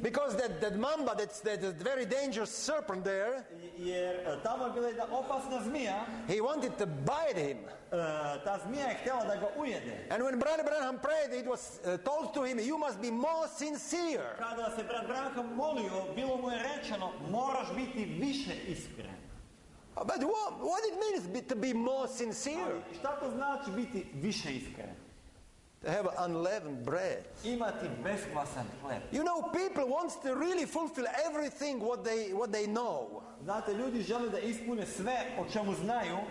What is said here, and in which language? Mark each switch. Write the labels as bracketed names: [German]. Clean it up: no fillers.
[English] Because that mamba, that very dangerous serpent there. [Serbian] Jer tamo je bila jedna opasna zmija. [English] He wanted to bite him. [Serbian] Ta zmija je htjela da ga ujede. [English] And when Brother Branham prayed, it was told to him, you must be more sincere. [Serbian] Kada se Brother Branham molio, bilo mu je rečeno, moraš biti više iskren. [English] But what it means to be more sincere? [Serbian] Ali šta to znači biti više iskren? [English] To have unleavened bread. [Serbian] Imati beskvasan hleb. [English] You know, people wants to really fulfill everything what they know. [Serbian] Znate, ljudi žele da ispune sve o čemu znaju.